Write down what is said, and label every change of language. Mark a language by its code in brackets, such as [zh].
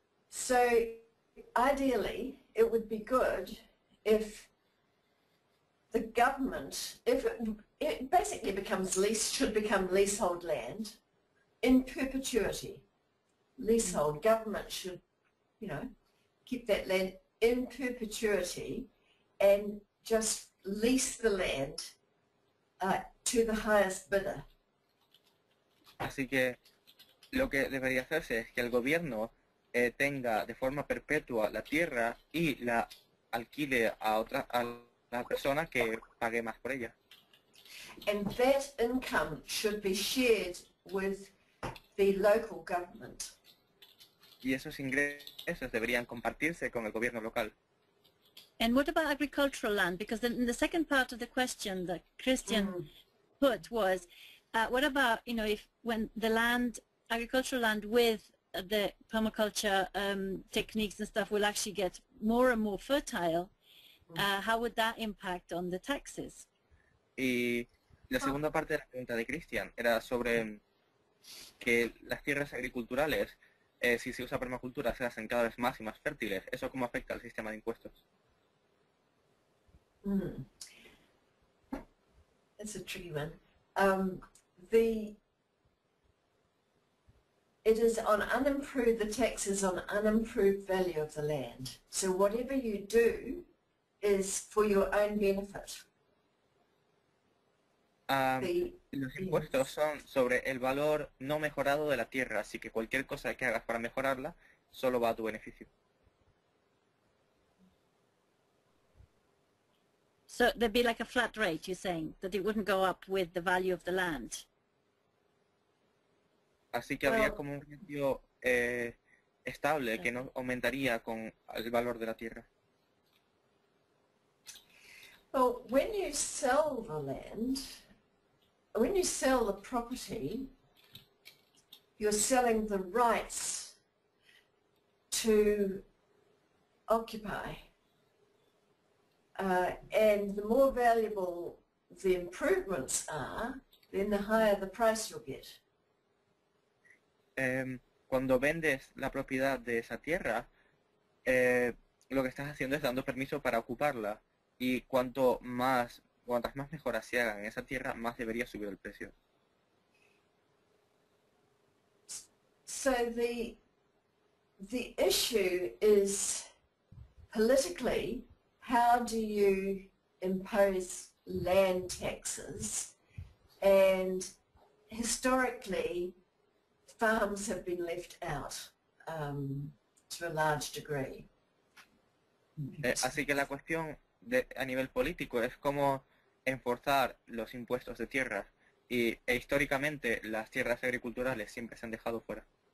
[en] So, ideally, it would be good if the government, it basically becomes lease, should become leasehold land in perpetuity. Leasehold, mm-hmm. Government should, you know, keep that land in perpetuity and just lease the land to the highest bidder. [es] Así que lo que debería hacerse es que el gobierno tenga de forma perpetua la tierra y la alquile a la persona que pague más por ella. [en] And that income should be shared with the local government. [es] Y esos ingresos deberían compartirse con el gobierno local. [en] And what about agricultural land? Because the second part of the question that Christian put was, what about, you know, when the land, agricultural land with the permaculture techniques and stuff will actually get more and more fertile, how would that impact on the taxes? [es] Y la segunda parte de la pregunta de Christian era sobre que las tierras agriculturales, si se usa permacultura, se hacen cada vez más y más fértiles. ¿Eso cómo afecta al sistema de impuestos? [en] That's a tricky one. It is on unimproved, the tax is on unimproved value of the land. So whatever you do is for your own benefit. [es] Los impuestos son sobre el valor no mejorado de la tierra, así que cualquier cosa que hagas para mejorarla solo va a tu beneficio. [en] So there'd be like a flat rate, you're saying, that it wouldn't go up with the value of the land. [es] Así que habría como un precio estable que no aumentaría con el valor de la tierra. [en] Well, when you sell the land, when you sell the property, you're selling the rights to occupy. And the more valuable the improvements are, then the higher the price you'll get. [es] Cuando vendes la propiedad de esa tierra, lo que estás haciendo es dando permiso para ocuparla. Y cuantas más mejoras se hagan en esa tierra, más debería subir el precio. [en] So the issue is politically, how do you impose land taxes? And historically, farms have been left out to a large degree. [es] Así que la cuestión a nivel político es cómo enforzar los impuestos de tierra e históricamente las tierras agriculturales siempre se han dejado fuera.